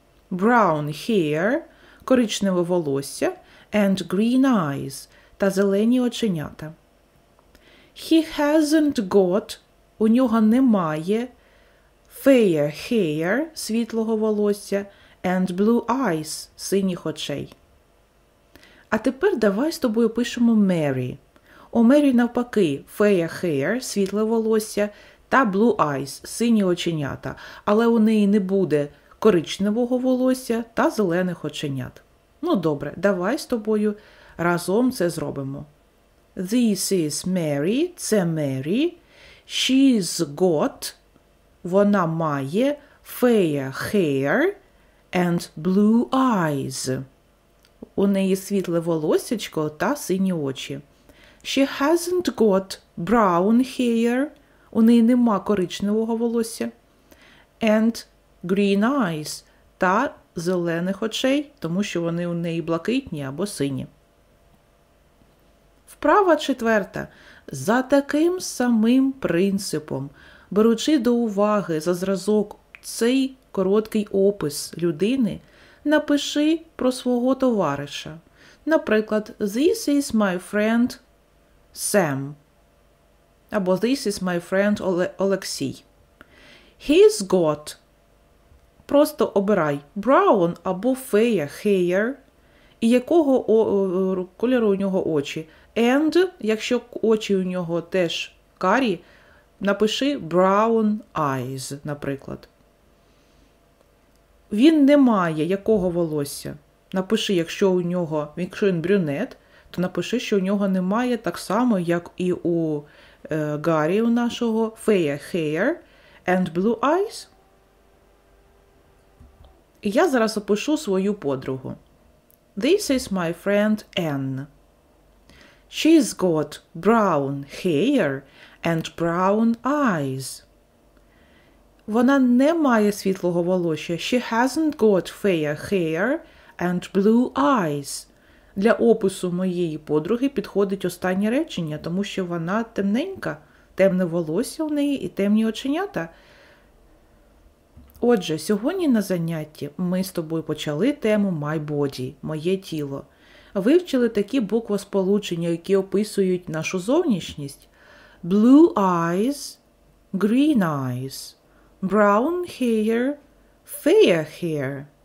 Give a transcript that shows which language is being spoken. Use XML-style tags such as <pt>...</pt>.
<en>Brown hair,</en> <uk>коричневе волосся,</uk> <en>and green eyes,</en> <uk>та зелені оченята.</uk> <en>He hasn't got,</en> <uk>у нього немає,</uk> <en>fair hair,</en> <uk>світлого волосся,</uk> <en>And blue eyes –</en> <uk>синіх очей. А тепер давай з тобою пишемо Mary. У Mary навпаки –</uk> <en>fair hair</en> <uk>– світле волосся, та</uk> <en>blue eyes</en> <uk>– сині оченята, але у неї не буде коричневого волосся та зелених оченят. Ну добре, давай з тобою разом це зробимо.</uk> <en>This is Mary,</en> <uk>це Mary.</uk> <en>She's got,</en> <uk>вона має,</uk> <en>fair hair and blue eyes.</en> <uk>У неї світле волосечко та сині очі.</uk> <en>She hasn't got brown hair,</en> <uk>у неї нема коричневого волосся.</uk> <en>And green eyes,</en> <uk>та зелених очей, тому що вони у неї блакитні або сині. Вправа четверта. За таким самим принципом, беручи до уваги за зразок цей короткий опис людини, напиши про свого товариша. Наприклад,</uk> <en>this is my friend Sam.</en> <uk>Або</uk> <en>this is my friend Олексій. He's got.</en> <uk>Просто обирай brown або fair hair. І якого кольору у нього очі. And, якщо очі у нього теж карі, напиши</uk> <en>brown eyes,</en> <uk>наприклад. Він не має якого волосся. Напиши, якщо у нього, якщо він брюнет, то напиши, що у нього немає так само, як і у Гаррі у нашого,</uk> <en>fair hair and blue eyes.</en> <uk>Я зараз опишу свою подругу.</uk> <en>This is my friend Anne. She's got brown hair and brown eyes.</en> <uk>Вона не має світлого волосся.</uk> <en>She hasn't got fair hair and blue eyes.</en> <uk>Для опису моєї подруги підходить останнє речення, тому що вона темненька, темне волосся у неї і темні оченята. Отже, сьогодні на занятті ми з тобою почали тему</uk> <en>«My body»</en> <uk>– «Моє тіло». Вивчили такі буквосполучення, які описують нашу зовнішність.</uk> <en>«Blue eyes», «Green eyes», «Brown hair», «Fair hair».</en>